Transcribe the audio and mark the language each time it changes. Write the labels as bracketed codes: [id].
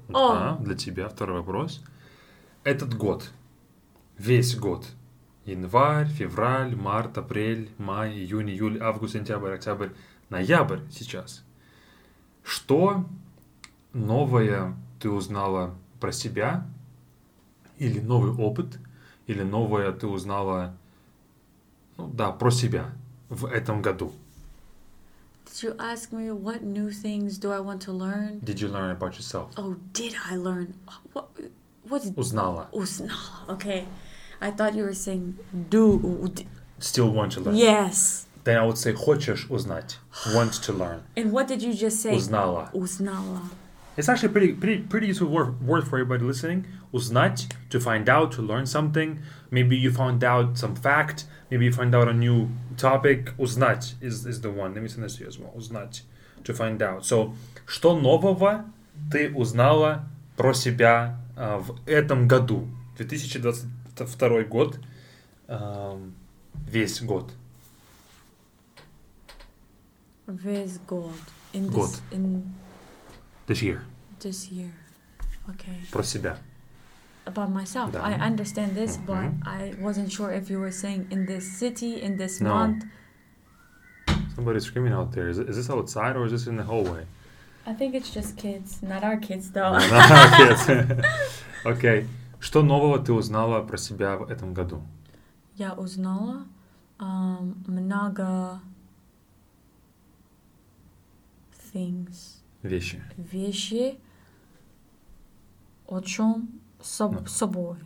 [ru] Да, для тебя второй вопрос. Этот год, весь год, январь, февраль, март, апрель, май, июнь, июль, август, сентябрь, октябрь, ноябрь сейчас. Что новое ты узнала про себя, или новый опыт, или новое ты узнала, ну да, про себя в этом году? [en] Did you ask me what new things do I want to learn? Did you learn about yourself? Oh, did I learn? What? [ru] Узнала. Узнала. [en] Okay. I thought you were saying do. Still want to learn. Yes. Then I would say, [ru] хочешь узнать, [en] want to learn. And what did you just say? [ru] Узнала. Узнала. [en] It's actually pretty useful word for everybody listening. Узнать, to find out, to learn something. Maybe you found out some fact. Maybe you find out a new topic. Узнать is the one. Let me send this to you as well. Узнать, to find out. [ru] So, что нового ты узнала про себя в этом году? 2022 год. Весь год. [en] With God in God. In this year. This year. Okay. [ru] Про себя. [en] About myself. Да. I understand this, mm-hmm. but I wasn't sure if you were saying in this city, in this no. month. Somebody's screaming out there. Is this outside or is this in the hallway? I think it's just kids. Not our kids though. Not our kids. Okay. [ru] Что нового ты узнала про себя в этом году? Я узнала много. [en] Things. [ru] Вещи. Вещи. О чем собой.